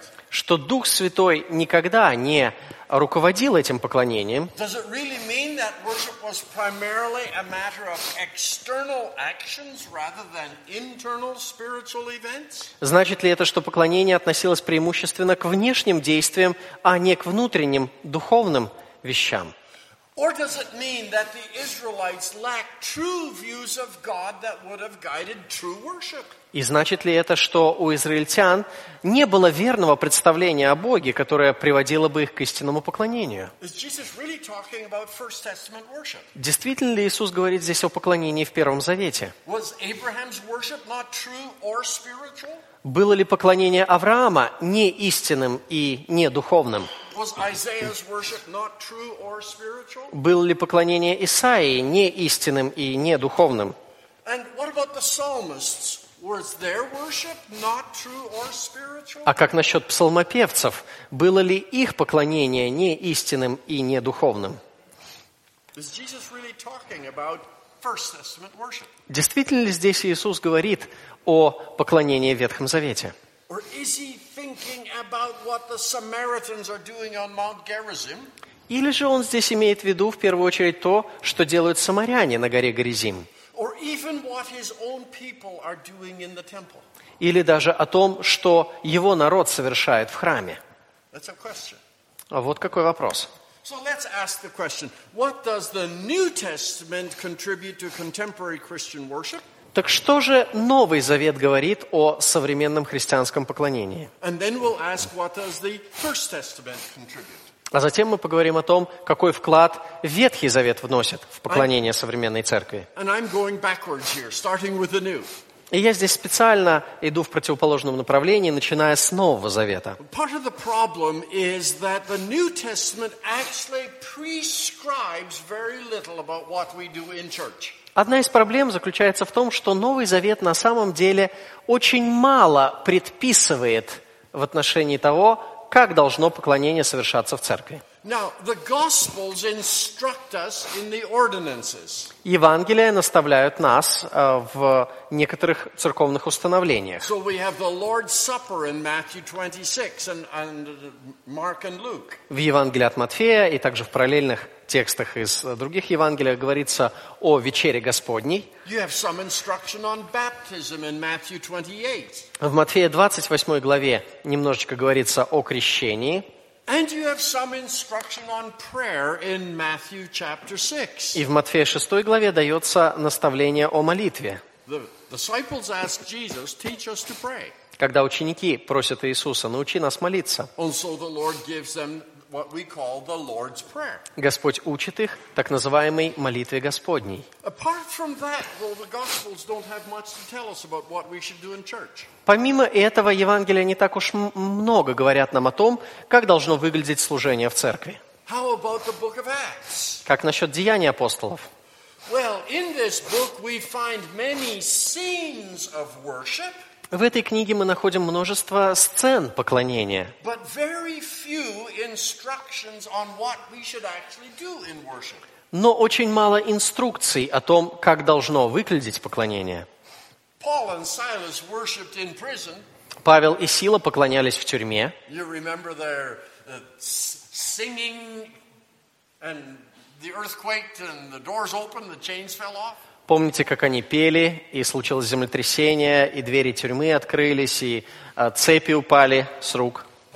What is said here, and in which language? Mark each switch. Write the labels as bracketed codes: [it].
[ru] что Дух Святой никогда не руководил этим поклонением. [en] Does it really mean that worship was primarily a matter of external actions rather than internal spiritual events? [ru] Значит ли это, что поклонение относилось преимущественно к внешним действиям, а не к внутренним духовным вещам? [en] Or does it mean that the Israelites lack true views of God that would have guided true worship? [ru] И значит ли это, что у израильтян не было верного представления о Боге, которое приводило бы их к истинному поклонению? [en] Is Jesus really talking about First Testament worship? [ru] Действительно ли Иисус говорит здесь о поклонении в Первом Завете? [en] Was Abraham's worship not true or spiritual? [ru] Было ли поклонение Авраама не истинным и не духовным? [en] Was Isaiah's worship not true or spiritual? [ru] Было ли поклонение Исаии не истинным и не духовным? [en] And what about the psalmists? Was their worship not true or spiritual? [ru] А как насчет псалмопевцев? Было ли их поклонение не истинным и не духовным? [en] Is Jesus really talking about First Testament worship? [ru] Действительно ли здесь Иисус говорит о поклонении в Ветхом Завете? [en] Or is he thinking about what the Samaritans are doing on Mount Gerizim? [ru] Или же он здесь имеет в виду в первую очередь то, что делают самаряне на горе Горизим? [en] Or even what his own people are doing in the temple? [ru] Или даже о том, что его народ совершает в храме? [en] That's a question. [ru] А вот какой вопрос. [en] So let's ask the question: what does the New Testament contribute to contemporary Christian worship? [ru] Так что же Новый Завет говорит о современном христианском поклонении? [en] And then we'll ask, what does the First Testament contribute? [ru] А затем мы поговорим о том, какой вклад Ветхий Завет вносит в поклонение современной церкви. [en] And I'm going backwards here, starting with the new. [ru] И я здесь специально иду в противоположном направлении, начиная с Нового Завета. [en] Part of the problem is that the New Testament actually prescribes very little about what we do in church. [ru] Одна из проблем заключается в том, что Новый Завет на самом деле очень мало предписывает в отношении того, как должно поклонение совершаться в церкви. [en] Now, the Gospels instruct us in the ordinances. [ru] Евангелия наставляют нас в некоторых церковных установлениях. [en] So we have the Lord's Supper in Matthew 26 and Mark and Luke. [ru] В Евангелии от Матфея и также в параллельных текстах из других Евангелий говорится о вечере Господней. [en] You have some instruction on baptism in Matthew 28. [ru] В Матфея 28 главе немножечко говорится о крещении. [en] And you have some instruction on prayer in Matthew chapter 6. [ru] И в Матфея 6 главе дается наставление о молитве. [en] The disciples ask Jesus, teach us to pray. [ru] Когда ученики просят Иисуса, научи нас молиться. [en] And so the Lord gives them what we call the Lord's Prayer. [ru] Господь учит их так называемой молитве Господней. [en] Apart from that, though, the Gospels don't have much to tell us about what we should do in church. [ru] Помимо этого, Евангелия не так уж много говорят нам о том, как должно выглядеть служение в церкви. [en] How about the Book of Acts? [ru] Как насчет Деяний апостолов? [en] Well, in this book we find many scenes of worship. [ru] В этой книге мы находим множество сцен поклонения. [en] But very few instructions on what we should actually do in worship. [ru] Но очень мало инструкций о том, как должно выглядеть поклонение. [en] Paul and Silas worshipped in prison. [ru] Павел и Сила поклонялись в тюрьме. [en] You remember their singing and the earthquake and the doors opened, the chains fell off. [ru] Помните, как они пели, и случилось землетрясение, и двери тюрьмы открылись, и цепи упали с рук.